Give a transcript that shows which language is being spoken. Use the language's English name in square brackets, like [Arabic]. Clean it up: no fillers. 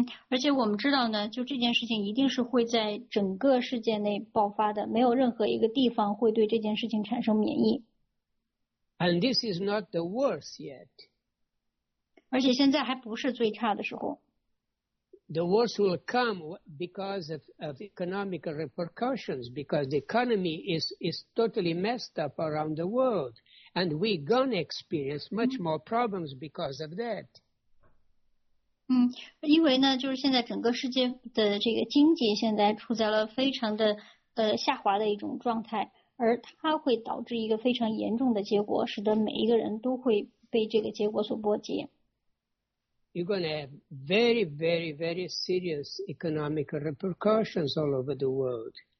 [Chinese] 而且我们知道呢，就这件事情一定是会在整个世界内爆发的，没有任何一个地方会对这件事情产生免疫。 [English] And this is not the worst yet. [Chinese] 而且现在还不是最差的时候。 [English] The worst will come because of economic repercussions, because the economy is totally messed up around the world, and we're gonna experience much more problems because of that. [Chinese] 因为呢，就是现在整个世界的这个经济现在处在了非常的下滑的一种状态，而它会导致一个非常严重的结果，使得每一个人都会被这个结果所波及。 [English] You're going to have very, very, very serious economic repercussions all over the world.